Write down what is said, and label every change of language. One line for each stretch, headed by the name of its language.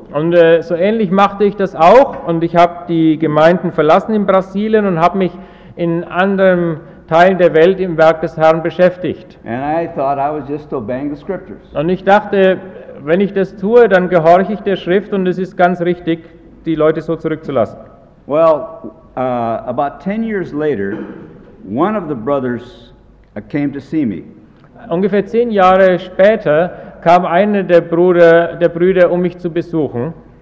German: Und so ähnlich machte ich das auch und ich habe die Gemeinden verlassen in Brasilien und habe mich in anderen Teilen der Welt im Werk des Herrn beschäftigt.
English: And I thought I was just obeying the scriptures.
German: Und ich dachte, wenn ich das tue, dann gehorche ich der Schrift und es ist ganz richtig, die Leute so zurückzulassen.
English: Well, about 10 years later, one of the brothers came to see me.
German: Ungefähr 10 Jahre später kam einer der Brüder, um mich zu besuchen.